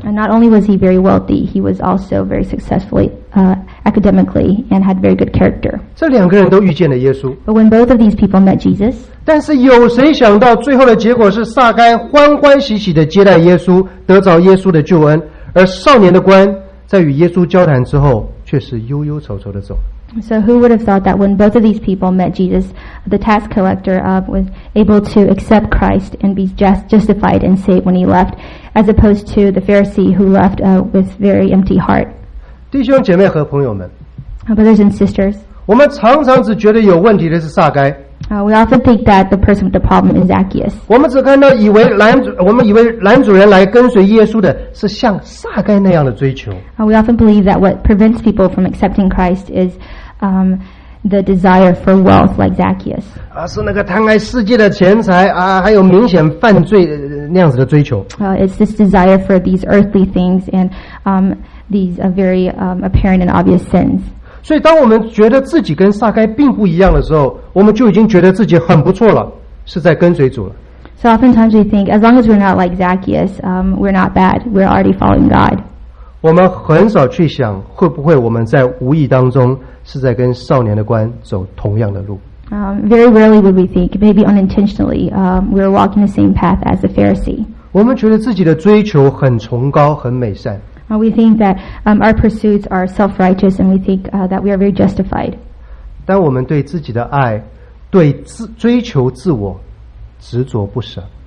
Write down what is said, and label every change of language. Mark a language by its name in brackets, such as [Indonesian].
[English] And not only was he very wealthy, he was also very successfully academically and had very good character. [Chinese] 这两个人都遇见了耶稣。 [English] But when both of these people met Jesus, [Chinese] 但是有谁想到最后的结果是撒该欢欢喜喜地接待耶稣，得着耶稣的救恩，而少年的官在与耶稣交谈之后，却是忧忧愁愁地走。 [English] So who would have thought that when both of these people met Jesus, the tax collector was able to accept Christ and be justified and saved when he left, as opposed to the Pharisee who left with very empty heart. [Chinese] 弟兄姐妹和朋友们 [English] Brothers and sisters, [Chinese] 我们常常只觉得有问题的是撒该。 [English] We often think that the person with the problem is Zacchaeus. [Chinese] 我们只看到我们以为男主人来跟随耶稣的是像撒该那样的追求。 [English] We often believe that what prevents people from accepting Christ is the desire for wealth like Zacchaeus. [Chinese] 是那个贪爱世界的钱财还有明显犯罪那样子的追求。 [English] It's this desire for these earthly things and these very apparent and obvious sins. [Chinese] 所以当我们觉得自己跟撒该并不一样的时候，我们就已经觉得自己很不错了，是在跟随主了。 [English] So oftentimes we think, as long as we're not like Zacchaeus, we're not bad, we're already following God. [Chinese] 我们很少去想会不会我们在无意当中是在跟少年的官走同样的路。 [English] Very rarely would we think, maybe unintentionally, we're walking the same path as the Pharisee. [Chinese] 我们觉得自己的追求很崇高，很美善。 [English] We think that our pursuits are self-righteous, and we think that we are very justified. [Chinese] 但我们对自己的爱，对追求自我，执着不舍。